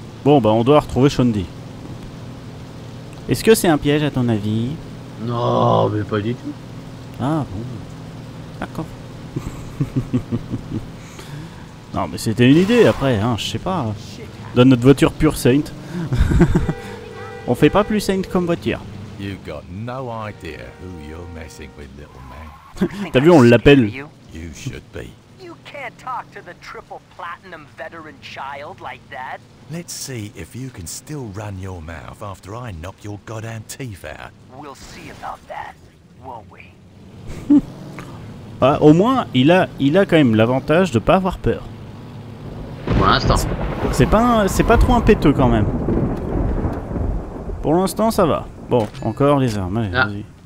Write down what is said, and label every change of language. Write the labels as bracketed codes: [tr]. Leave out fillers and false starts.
[fr] Bon, bah on doit retrouver Shondi. Est-ce que c'est un piège à ton avis? Non, mais pas du tout. Ah bon. D'accord. Non, mais c'était une idée après, hein, je sais pas. Donne notre voiture pure Saint. On fait pas plus Saint comme voiture. [en] You've got no idea who you're messing with, little man. [fr] T'as vu, on l'appelle. [en] You should be. You can't talk to the triple platinum veteran child like that. Let's see if you can still run your mouth after I knock your goddamn teeth out. We'll see about that, won't we? [fr] Ah, au moins, il a quand même l'avantage de pas avoir peur. Pour l'instant. C'est pas trop un péteux quand même. Pour l'instant, ça va. Bon, encore les armes, allez, vas-y.